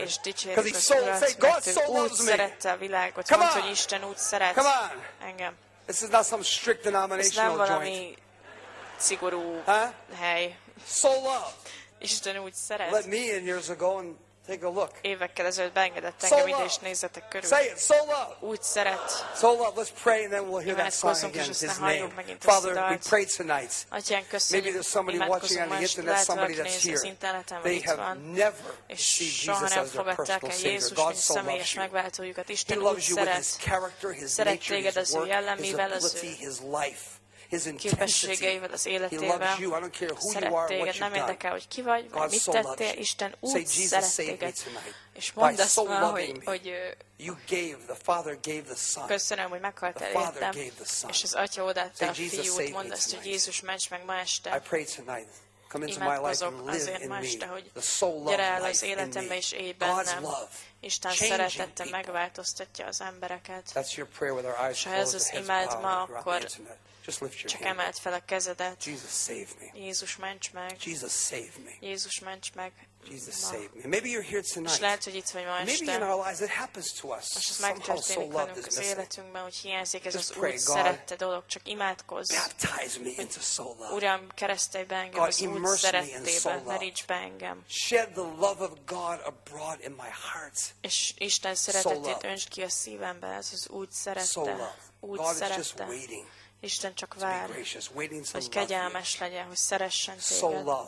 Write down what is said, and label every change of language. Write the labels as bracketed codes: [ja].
[en] Because he so say God so loves me. Come on. [hu] Isten úgy szeret. [en] Come on. [hu] Engem. [en] This is not some strict denominational joint. [hu] Szigorú hely. [en] So love. [hu] Isten úgy szeret. [en] Let me in years ago and take a look. [hu] Évekkel ezelőtt beengedett engem ide, és nézzetek körül. [en] Say it, so love. [hu] Úgy szeret. [en] So love, let's pray and then we'll hear that song again, his name. Father, we pray tonight. [hu] Atyán, köszönjük. [en] Maybe there's somebody watching on the internet, somebody that's here. They have never seen Jesus as their personal Savior. God so loves you. He loves you with his character, his nature, his work, his ability, his life. His [hu] képességeivel, az életével. Szeret téged, nem érdekel, hogy ki vagy, vagy mit tettél, Isten úgy szeret téged. És mondd azt már, hogy [en] you gave, the Father gave the Son. [hu] Köszönöm, hogy meghaltál értem, és az Atya odaadta a fiút, mondd azt, hogy Jézus, ments meg ma este. [en] I pray tonight. Come into my life and live in me. The soul love life in me. [hu] Az életembe is élj bennem. Isten szeretette, megváltoztatja az embereket. [en] That's your prayer with our eyes closed. [hu] Ha ez az imád ma, akkor csak emeld fel a kezedet. [en] Jesus, save me. [hu] Jézus, ments meg. [en] Jesus, save me. [hu] Jézus, ments meg. [en] Jesus, save me. Maybe you're here tonight. [hu] És lehet, hogy itt vagy ma este. [en] Maybe in our lives it happens to us. [hu] És ez megtörténik velünk az életünkben, hogy hiányzik ez az úgy szerette dolog. Csak imádkozz. [en] Baptize me into soul love. [hu] Uram, keresztelj be engem az úgy szerettébe. Meríts be engem. [en] Shed the love of God abroad in my heart. [hu] És Isten szeretetét öntsd ki a szívembe. Ez az úgy szerette. Úgy szerette. Isten csak vár, hogy kegyelmes legyen, hogy szeressen téged.